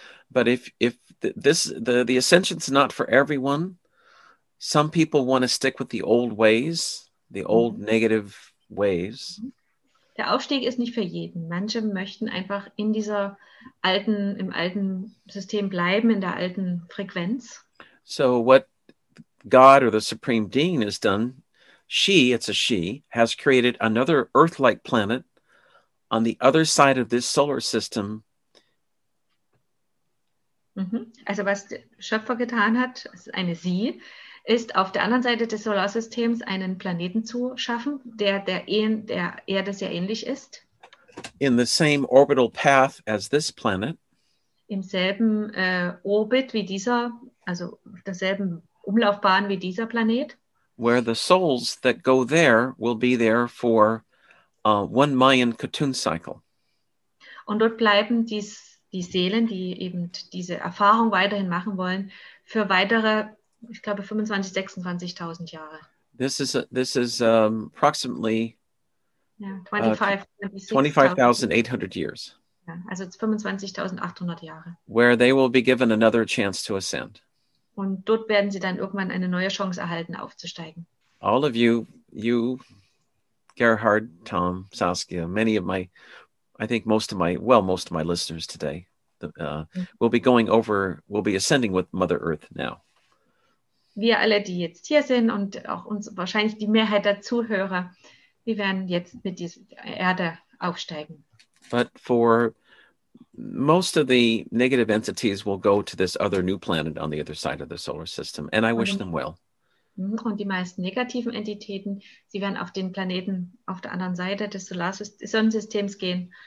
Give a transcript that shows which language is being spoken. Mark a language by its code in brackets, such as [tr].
[en] But if the ascension's not for everyone, some people want to stick with the old ways, the old negative ways. [de] Der Aufstieg ist nicht für jeden. Manche möchten einfach in dieser alten, im alten System bleiben, in der alten Frequenz. [en] So what God or the Supreme Being has done, she, has created another Earth-like planet on the other side of this solar system. [de] Also was der Schöpfer getan hat, eine sie, ist auf der anderen Seite des Solarsystems einen Planeten zu schaffen, der Erde sehr ähnlich ist. [en] In the same orbital path as this planet. [de] Im selben Orbit wie dieser, also derselben Umlaufbahn wie dieser Planet. [en] Where the souls that go there will be there for one Mayan Ketun cycle. [de] Und dort bleiben die Seelen, die eben diese Erfahrung weiterhin machen wollen, für weitere, ich glaube, 25.000, 26.000 Jahre. [en] This is approximately 25,800 years. [de] Ja, also 25.800 Jahre. [en] Where they will be given another chance to ascend. [de] Und dort werden sie dann irgendwann eine neue Chance erhalten, aufzusteigen. [en] All of you, Gerhard, Tom, Saskia, most of my listeners today will be ascending with Mother Earth now. [de] Wir alle, die jetzt hier sind und auch uns wahrscheinlich die Mehrheit der Zuhörer, wir werden jetzt mit dieser Erde aufsteigen. [en] but for most of the negative entities will go to this other new planet on the other side of the solar system, and I wish them well. [de] Und die meisten negativen Entitäten, sie werden auf den Planeten auf der anderen Seite des Sonnensystems gehen.